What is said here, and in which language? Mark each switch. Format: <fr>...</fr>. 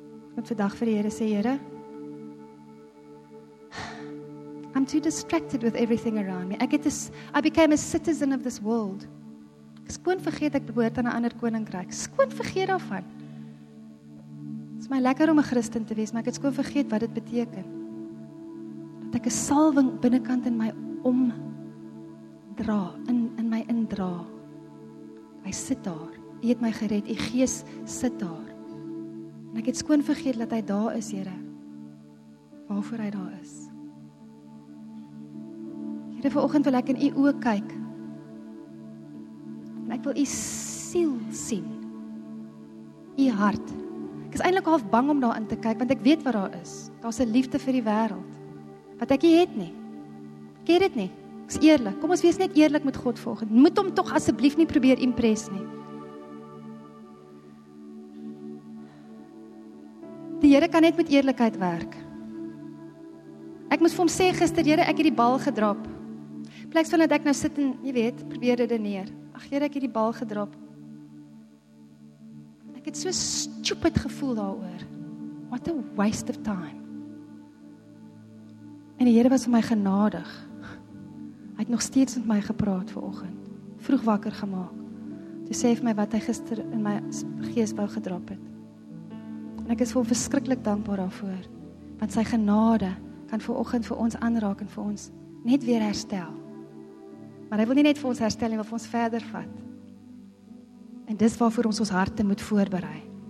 <af>Ek moet vandag vir die Here sê, Here,</af> <en>I'm too distracted with everything around me. I became a citizen of this world.</en> <af>Ek skoon vergeet ek behoort aan 'n ander koninkryk. Skoon vergeet daarvan. Het is my lekker om 'n Christen te wees, maar ek het skoon vergeet wat dit beteken. Dat ek 'n salwing binnenkant in my omdra, in my indra. Hy sit daar, U het my gered, U gees sit daar. En ek het skoon vergeet dat hy daar is, Here. Waarvoor hy daar is. Here, vanoggend wil ek in U oë kyk. En ek wil U siel sien. U hart. Ek is eintlik half bang om daarin te kyk, want ek weet wat daar is. Daar's 'n liefde vir die wêreld wat ek nie het nie. Ek het dit nie. Ek is eerlik. Kom ons wees net eerlik met God vanoggend. Moet hom tog asseblief nie probeer impress nie. Die Here kan net met eerlikheid werk. Ek moes vir hom sê gister, Here, ek het die bal gedrop. Plek van dat ek nou sit en, jy weet, probeer redeneer. Ag Here, ek het die bal gedrop. Ek het so stupid gevoel daaroor.</af> <en>What a waste of time.</en> <af>En die Here was vir my genadig. Hy het nog steeds met my gepraat vanoggend. Vroeg wakker gemaak. Toe sê hy vir my wat hy gister in my gees wou gedrap het. En ek is vir hom verskriklik dankbaar daarvoor. Want sy genade kan vanoggend vir ons aanraak en vir ons net weer herstel. Maar hy wil nie net vir ons herstel nie, maar vir ons verder vat. En dis waarvoor ons harte moet voorberei.</af>